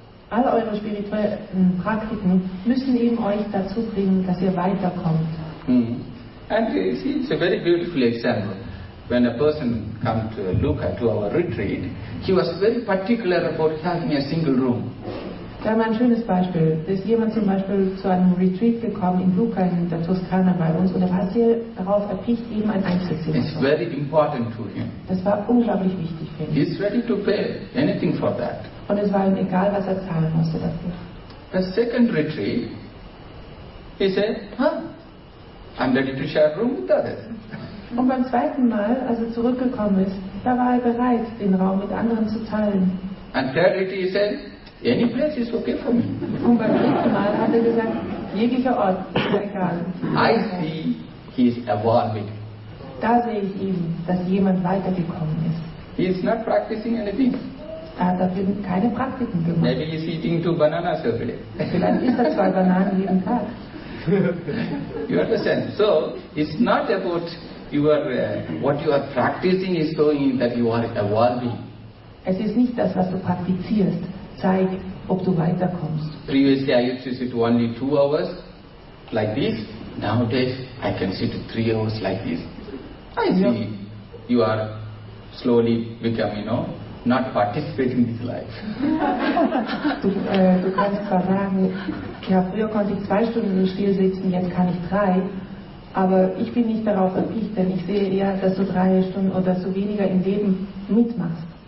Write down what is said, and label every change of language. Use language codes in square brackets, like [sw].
[de] All eure spirituellen Praktiken müssen eben euch dazu bringen, dass ihr weiterkommt. [en] And you see, it's a very beautiful example. When a person come to look at our retreat, he was very particular about having a single room. [de] Da haben wir ein schönes Beispiel. Da ist jemand zum Beispiel zu einem Retreat gekommen in Lucca, in der Toskana bei uns, und er war sehr darauf erpicht, eben ein Einzelzimmer. [en] It's very important to him. [de] Das war unglaublich wichtig für ihn. [en] He's ready to pay anything for that. [de] Und es war ihm egal, was er zahlen musste dafür. [en] The second retreat, he said, I'm ready to share a room with others. [de] Und beim zweiten Mal, als er zurückgekommen ist, da war er bereit, den Raum mit anderen zu teilen. [en] And thirdly, he said, any place is okay for me. [de] Und beim dritten Mal hat er gesagt, jeglicher Ort ist egal. [en] I see he is evolving. [de] Da sehe ich ihn, dass jemand weitergekommen ist. [en] He is not practicing anything. [de] Er hat dafür keine Praktiken gemacht. [en] Maybe he is eating two bananas every day. [de] Vielleicht isst er zwei Bananen jeden Tag. [en] You understand? So, it's not about what you are practicing is showing that you are evolving. [de] Es ist nicht das, was du praktizierst, zeigt, ob du weiterkommst. [en] Previously I used to sit only 2 hours like this. Nowadays I can sit 3 hours like this. I see you are slowly becoming, not participating in this life. [de] du kannst zwar sagen, ja, früher konnte ich 2 Stunden im Stil sitzen, jetzt kann ich 3. Aber ich bin nicht darauf erpicht, denn ich sehe eher, dass du 3 Stunden oder so weniger im Leben mitmachst.